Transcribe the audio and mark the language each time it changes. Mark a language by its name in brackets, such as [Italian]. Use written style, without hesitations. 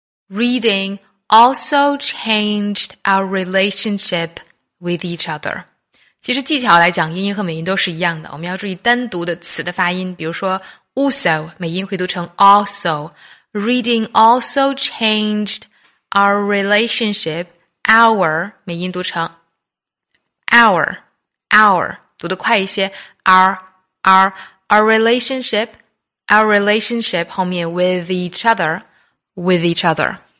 [English] Reading also changed our relationship with each other. [Chinese] 其实技巧来讲，英音和美音都是一样的。我们要注意单独的词的发音，比如说 also 美音会读成 also. [English] Reading also changed our relationship. Our, [Chinese] 美音读成 [English] our, our, [Chinese] 读得快一些 [English] our relationship, our relationship, [Chinese] 后面 [English] with each other, with each other.